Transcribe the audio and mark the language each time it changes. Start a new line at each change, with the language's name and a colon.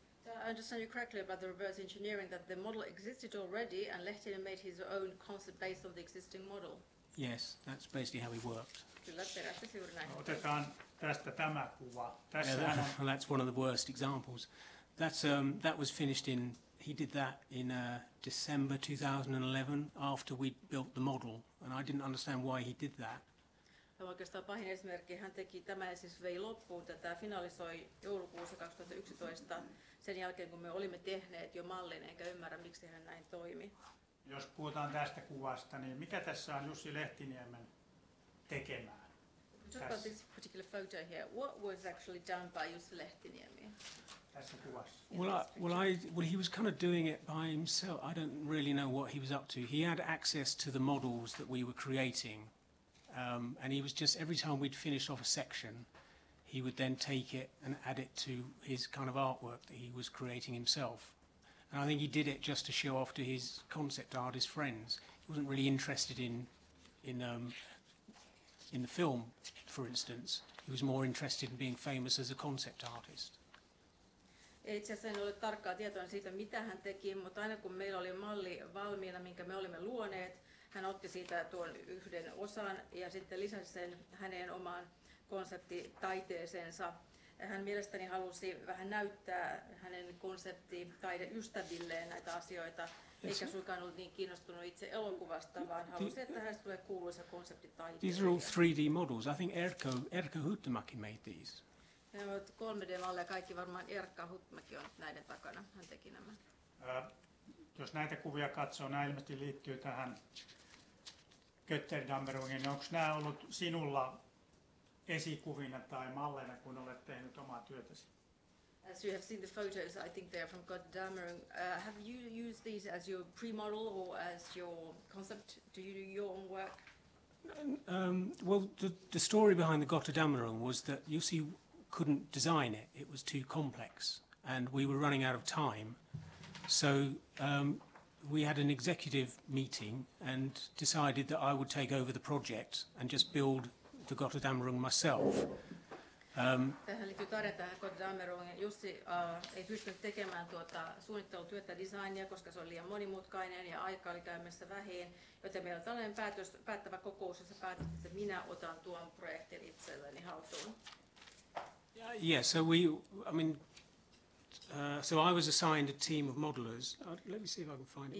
English: So I understand you correctly about the reverse engineering, that the model existed already and Lehtiniemi made his own concept based on the existing model. Yes, that's basically how he worked.
Finnish: Kyllä, perästä juuri näin. No, otetaan tästä tämä kuva.
English: That's one of the worst examples. That was finished in, he did that in December 2011 after we'd built the model. And I didn't understand why he did that.
Finnish: Oikeastaan pahin esimerkki, hän teki tämä ja siis vei loppuun tätä, finalisoi joulukuussa 2011 sen jälkeen, kun me olimme tehneet jo mallin, enkä ymmärrä, miksi hän näin toimi. Jos puhutaan tästä kuvasta, niin mikä tässä on Jussi Lehtiniemen tekemään?
English: Talk about this particular photo here. What was actually done by Jussi Lehtiniemi?
Finnish: Tässä kuvassa.
English: Well, he was kind of doing it by himself. I don't really know what he was up to. He had access to the models that we were creating. And he was just, every time we'd finish off a section, he would then take it and add it to his kind of artwork that he was creating himself. And I think he did it just to show off to his concept artist friends. He wasn't really interested in the film, for instance. He was more interested in being famous as a concept artist.
Finnish: Itse asiassa en ole tarkkaa tietoa siitä, mitä hän teki, mutta aina kun meillä oli malli valmiina, minkä me olimme luoneet, hän otti siitä tuon yhden osan ja sitten lisäsi sen hänen omaan konseptitaiteeseensa. Hän mielestäni halusi vähän näyttää hänen konseptitaideystävilleen näitä asioita, eikä suinkaan ollut niin kiinnostunut itse elokuvasta, vaan halusi, että hänestä tulee kuuluisa konseptitaiteilija.
English: These are all 3D models. I think Erko Huttumäki made these.
Finnish: Ne ovat 3D-malleja, kaikki varmaan Erkka Huttumäki on näiden takana. Hän teki nämä. Jos näitä kuvia katsoo, nämä ilmeisesti liittyy tähän Götterdammerungiin. Onko nämä ollut sinulla esikuvina tai malleina, kun olet tehnyt omaa työtäsi?
English: As you have seen the photos, I think they are from Götterdammerung. Have you used these as your pre-model or as your concept? Do you do your own work? The story behind the Götterdammerung was that Jussi couldn't design it. It was too complex and we were running out of time. So we had an executive meeting and decided that I would take over the project and just build the Götterdammerung myself.
Finnish: Tähän liittyy tarina tähän Götterdammerungiin. Jussi ei pystynyt tekemään tuota suunnittelutyötä designia, koska se oli liian monimutkainen ja aika oli käymässä vähin. Joten meillä on tällainen päättävä kokous, jossa päätettiin, että minä otan tuon projektin itselleni haltuun.
English: Yeah, so we, I mean, So I was assigned a team of modelers. Let me see if I can find it